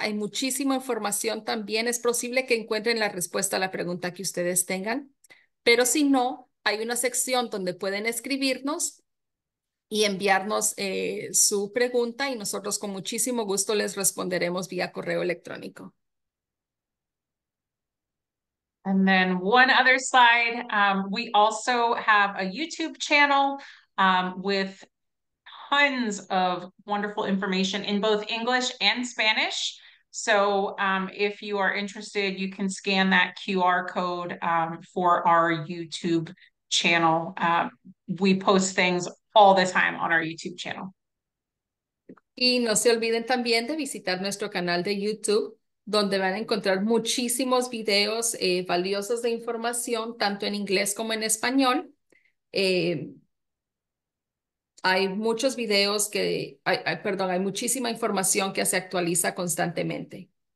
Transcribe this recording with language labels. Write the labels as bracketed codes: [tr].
[es] Hay muchísima información también. Es posible que encuentren la respuesta a la pregunta que ustedes tengan, pero si no, hay una sección donde pueden escribirnos y enviarnos su pregunta y nosotros con muchísimo gusto les responderemos vía correo electrónico. [en] And then one other slide. We also have a YouTube channel with tons of wonderful information in both English and Spanish. So if you are interested, you can scan that QR code for our YouTube channel. We post things all the time on our YouTube channel. [es] Y no se olviden también de visitar nuestro canal de YouTube donde van a encontrar muchísimos videos valiosos de información, tanto en inglés como en español. Hay muchos videos que, perdón, hay muchísima información que se actualiza constantemente.